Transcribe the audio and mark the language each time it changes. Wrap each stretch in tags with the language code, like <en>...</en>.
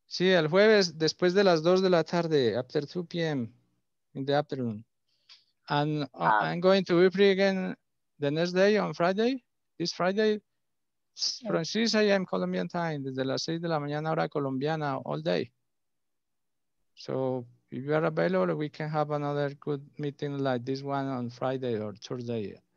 <es>Sí, el jueves después de las 2 de la tarde,</es> <en>after 2 p.m. in the afternoon. And I'm going to be free again the next day on Friday, this Friday. From 6 a.m. Colombian time,</en> <es>desde las 6 de la mañana hora colombiana,</es> <en>all day. So if you are available, we can have another good meeting like this one on Friday or Thursday.</en>